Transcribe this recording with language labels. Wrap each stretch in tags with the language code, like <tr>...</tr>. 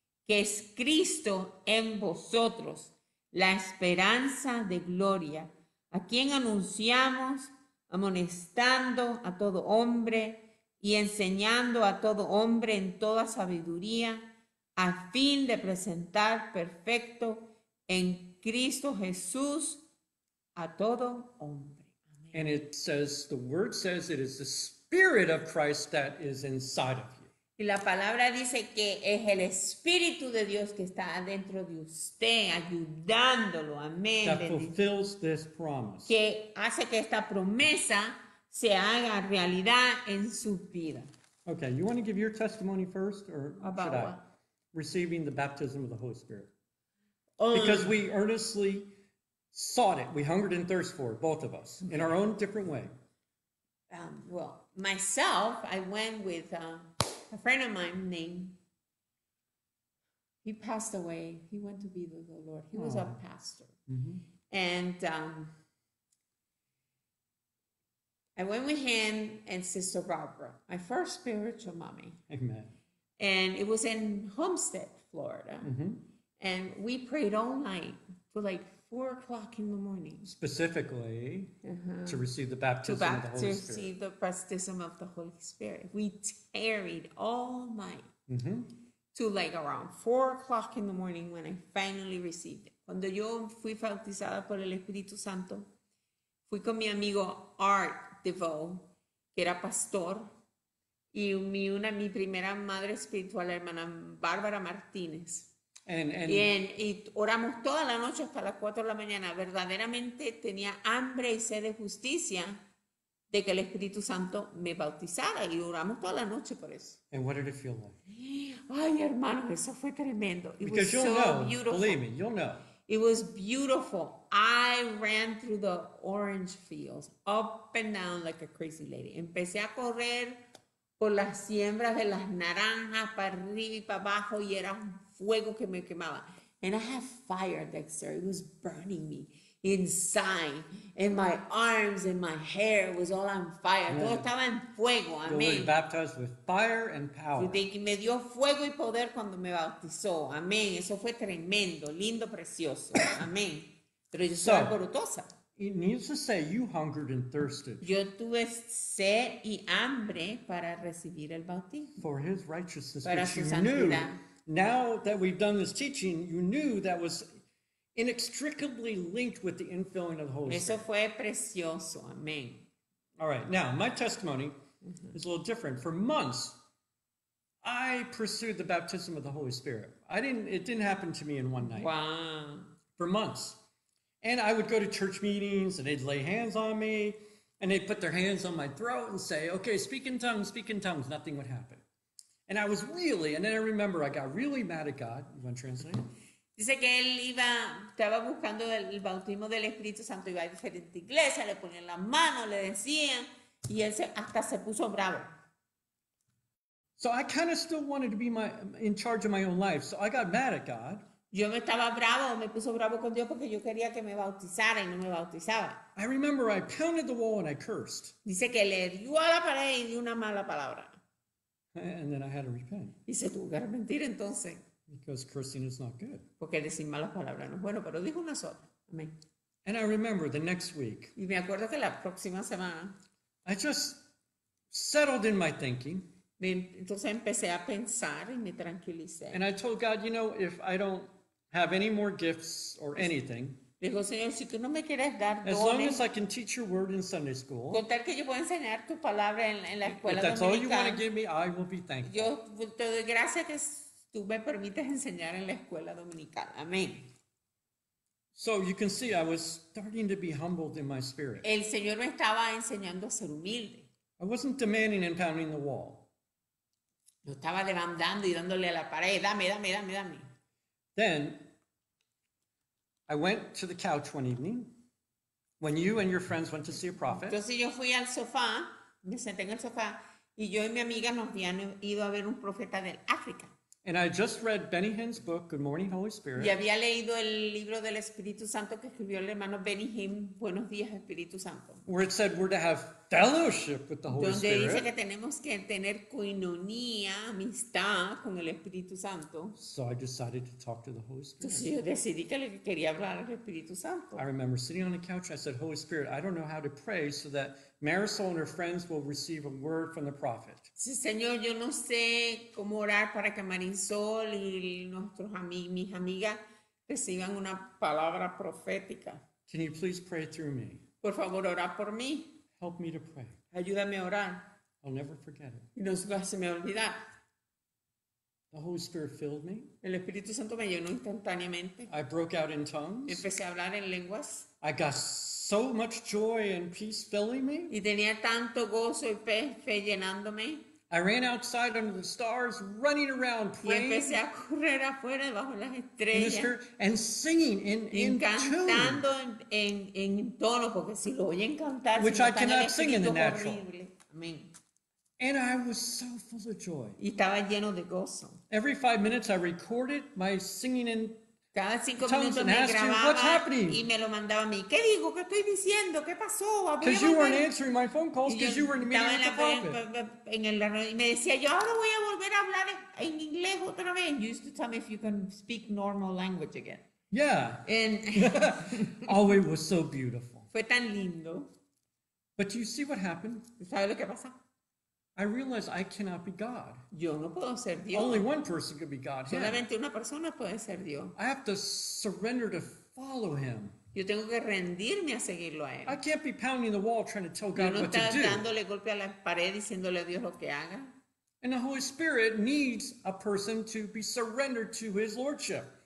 <es>que es Cristo en vosotros, la esperanza de gloria, a quien anunciamos, amonestando a todo hombre y enseñando a todo hombre en toda sabiduría, a fin de presentar perfecto en Cristo Jesús a todo hombre.</es> <en>And it says, the word says, it is the Spirit of Christ that is inside of you.</en> <es>Y la palabra dice que es el Espíritu de Dios que está adentro de usted, ayudándolo. Amén.</es> <en>That fulfills this promise.</en> <es>Que hace que esta promesa se haga realidad en su vida.</es> <en>Okay, you want to give your testimony first, or about should what? I? Receiving the baptism of the Holy Spirit. Because we earnestly sought it. We hungered and thirst for it, both of us, in our own different way. Well, myself, I went with a friend of mine named, he passed away. He went to be with the Lord. He was a pastor. Mm-hmm. And I went with him and Sister Barbara, my first spiritual mommy. Amen. And it was in Homestead, Florida. Mm-hmm. And we prayed all night for like 4 o'clock in the morning. Specifically, to receive the baptism of the Holy Spirit. To receive the baptism of the Holy Spirit. We tarried all night. Mm-hmm. To like around 4 o'clock in the morning when I finally received it.</en> <es>Cuando yo fui bautizada por el Espíritu Santo, fui con mi amigo Art DeVoe, que era pastor, y mi primera madre espiritual, la hermana Bárbara Martínez. Y oramos toda la noche hasta las 4 de la mañana. Verdaderamente tenía hambre y sed de justicia de que el Espíritu Santo me bautizara. Y oramos toda la noche por eso.</es> <en>And what did it feel like?</en> <es>Ay, hermano, eso fue tremendo.</es> <en>Because you'll know, believe me, you'll know. It was beautiful. I ran through the orange fields, up and down like a crazy lady.</en> <es>Empecé a correr por las siembras de las naranjas, para arriba y para abajo, y era un fuego que me quemaba.</es> <en>And I had fire, Dexter. It was burning me inside. And my arms and my hair was all on fire.</en> <es>Yeah. Todo estaba en fuego.</es> <en>You were baptized with fire and power.</en> <es>Y me dio fuego y poder cuando me bautizó. Amén. Eso fue tremendo, lindo, precioso. Amén. Pero yo soy alborotosa.</es> <en>It needs to say you hungered and thirsted.</en> <es>Yo tuve sed y hambre para recibir el bautismo.</es> <en>For his righteousness,</en> <es>para</es> <en>which</en> <es>su</es> <en>you</en> <es>santidad.</es> <en>Knew. Now that we've done this teaching, you knew that was inextricably linked with the infilling of the Holy</en> <es>Eso</es> <en>Spirit.</en> <es>Eso fue precioso. Amén.</es> <en>All right. Now, my testimony is a little different. For months, I pursued the baptism of the Holy Spirit. It didn't happen to me in one night. Wow. For months. And I would go to church meetings, and they'd lay hands on me, and they'd put their hands on my throat and say, okay, speak in tongues, nothing would happen. And I was really, and then I remember, I got really mad at God. You want to translate?</en> <es>Dice que él iba, estaba buscando el bautismo del Espíritu Santo, iba a diferentes iglesias, le ponían la mano, le decían, y él hasta se puso bravo.</es> <en>So I kind of still wanted to be in charge of my own life, so I got mad at God.</en> <es>Yo me estaba bravo, me puso bravo con Dios porque yo quería que me bautizara y no me bautizaba.</es> <en>I remember I pounded the wall and I cursed.</en> <es>Dice que le dio a la pared y dio una mala palabra.</es> <en>And then I had to repent.</en> <es>Y se tuvo que arrepentir entonces.</es> <en>Because cursing is not good.</en> <es>Porque decir malas palabras no es bueno, pero dijo una sola. Amén.</es> <en>And I remember the next week.</en> <es>Y me acuerdo que la próxima semana.</es> <en>I just settled in my thinking.</en> <es>Entonces empecé a pensar y me tranquilicé.</es> <en>And I told God, you know, if I don't have any more gifts or anything.</en> <es>Dijo, Señor, si tú no me quieres dar dones,</es> <en>as long as I can teach your word in Sunday school.</en> <es>Con tal que yo pueda enseñar tu palabra en la escuela</es> <en>If that's all you want to give me, I will be thankful.</en> <es>Yo te doy gracias que tú me permites enseñar en la escuela dominical. Amén.</es> <en>So you can see I was starting to be humbled in my spirit.</en> <es>El Señor me estaba enseñando a ser humilde.</es> <en>I wasn't demanding and pounding the wall.</en> <es>Lo estaba demandando y dándole a la pared. Dame, dame, dame, dame.</es> <en>Then I went to the couch one evening when you and your friends went to see a prophet.</en> <es>Entonces yo fui al sofá, me senté en el sofá, y yo y mi amiga nos habían ido a ver un profeta del África.</es> <en>And I just read Benny Hinn's book, Good Morning, Holy Spirit.</en> <es>Y había leído el libro del Espíritu Santo que escribió el hermano Benny Hinn, Buenos Días, Espíritu Santo.</es> <en>Where it said we're to have fellowship with the Holy</en> <es>donde</es> <en>Spirit.</en> <es>Donde dice que tenemos que tener coinonía, amistad con el Espíritu Santo.</es> <en>So I decided to talk to the Holy Spirit.</en> <es>Entonces yo decidí que le quería hablar al Espíritu Santo.</es> <en>I remember sitting on the couch, I said, Holy Spirit, I don't know how to pray so that Marisol and her friends will receive a word from the prophet.</en> <es>Sí, Señor, yo no sé cómo orar para que Marisol y nuestros mis amigas reciban una palabra profética.</es> <en>Can you please pray through me?</en> <es>Por favor, ora por mí.</es> <en>Help me to pray.</en> <es>Ayúdame a orar.</es> <en>I'll never forget it.</en> <es>Y no se me olvida.</es> <en>The Holy Spirit filled me.</en> <es>El Espíritu Santo me llenó instantáneamente.</es> <en>I broke out in tongues.</en> <es>Empecé a hablar en lenguas.</es> <en>I got so much joy and peace filling me.</en> <es>Y tenía tanto gozo y fe llenándome.</es> <en>I ran outside under the stars, running around, praying.</en> <es>Y empecé a correr afuera bajo las estrellas.</es> <en>In the spirit, and singing in tune.</en> <es>Cantando en tono, porque si lo oyen cantar,</es> <en>which</en> <es>si</es> <en>I cannot sing in the natural.</en> <es>Horrible. Amén.</es> <en>And I was so full of joy.</en> <es>Y estaba lleno de gozo.</es> <en>Every 5 minutes I recorded my singing in</en> <es>cada cinco</es> <en>tongues</en> <es>minutos</es> <en>and</en> <es>me</es> <en>asked</en> <es>grababa</es> <en>you, what's happening?</en> <es>Y me lo mandaba a mí. ¿Qué digo? ¿Qué estoy diciendo? ¿Qué pasó?</es> <en>Because you weren't answering my phone calls because you were in the meeting with the</en> <es>prophet. Y me decía, yo ahora voy a volver a hablar en inglés otra vez.</es> <en>You used to tell me if you can speak normal language again. Yeah. And oh, it was so beautiful.</en> <es>Fue tan lindo.</es> <en>But do you see what happened?</en> <es>¿Sabes lo que pasa?</es> <en>I realized I cannot be God.</en> <es>Yo no puedo ser Dios.</es> <en>Only one person could be God.</en> <es>Solamente una persona puede ser Dios.</es> <en>I have to surrender to follow him.</en> <es>Yo tengo que rendirme a seguirlo a él.</es> <en>I can't be pounding the wall trying to tell God no what to do.</en> <es>Dándole golpe a la pared diciéndole a Dios lo que haga.</es> <en>And the Holy Spirit needs a person to be surrendered to his lordship.</en>